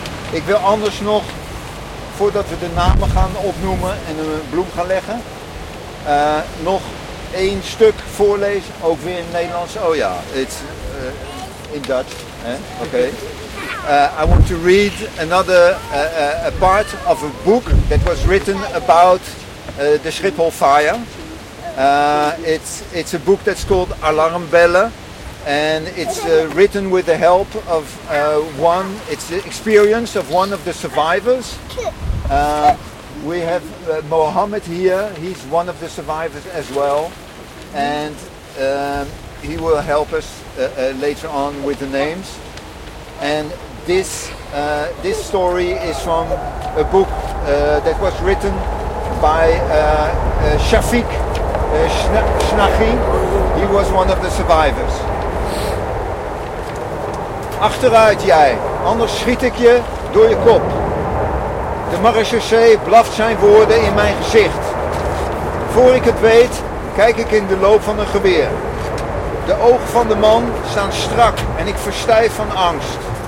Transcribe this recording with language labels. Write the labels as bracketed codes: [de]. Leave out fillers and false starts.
[nl] Ik wil anders nog, voordat we de namen gaan opnoemen en een bloem gaan leggen, nog één stuk voorlezen. Ook weer in het Nederlands. [en] Oh ja, it's in Dutch. Oké. Okay. I want to read another a part of a book that was written about the Schiphol fire. It's a book that's called Alarm Bellen, and it's written with the help of one. It's the experience of one of the survivors. We have Mohammed here. He's one of the survivors as well, and he will help us later on with the names. And this story is from a book that was written by Shafiq Shnachi. He was one of the survivors. [nl] Achteruit jij, anders schiet ik je door je kop. De marechaussee blaft zijn woorden in mijn gezicht. Voor ik het weet, kijk ik in de loop van een geweer. De ogen van de man staan strak en ik verstijf van angst.